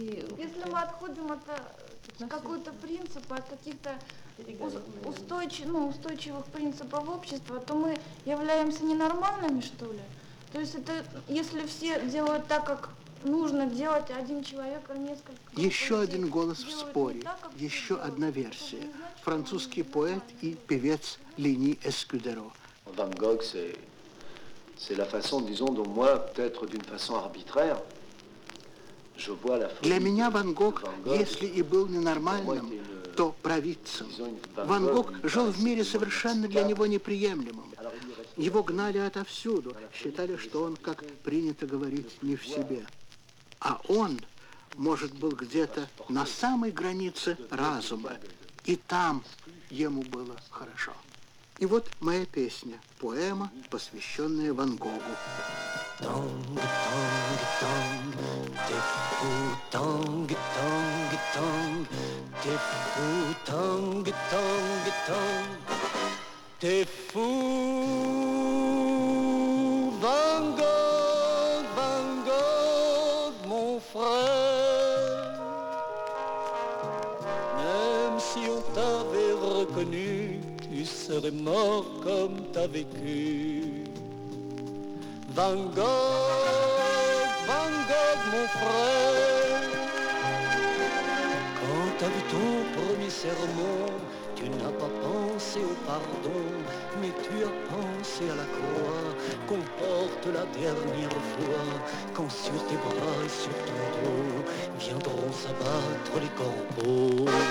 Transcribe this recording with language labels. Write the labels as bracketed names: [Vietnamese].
[Russian] Если мы отходим от какого-то принципа, от каких-то устойчивых принципов общества, то мы являемся ненормальными, что ли? То есть это, если все делают так, как нужно делать, один человек, а несколько... Еще один голос в споре, еще одна версия. Французский поэт и певец Лени Эскюдеро. [French] Ван Гог, c'est la façon, disons, dont moi, peut-être d'une façon arbitraire, [Russian] для меня Ван Гог, если и был ненормальным, то провидцем. Ван Гог жил в мире совершенно для него неприемлемым. Его гнали отовсюду, считали, что он, как принято говорить, не в себе. А он, может, был где-то на самой границе разума, и там ему было хорошо. И вот моя песня, поэма, посвященная Ван Гогу. Тонг, тонг, тонг, тепку, тонг, тонг, тонг, тепку, тонг, тонг, тонг, тепку. [French] Ван Гог, Ван Гог, мон фрэр, мэм си он тавэ рэконю, tu serais mort comme t'as vécu. Van Gogh, Van Gogh, mon frère, quand t'as vu ton premier sermon, tu n'as pas pensé au pardon, mais tu as pensé à la croix qu'on porte la dernière fois, quand sur tes bras et sur ton dos viendront s'abattre les corbeaux.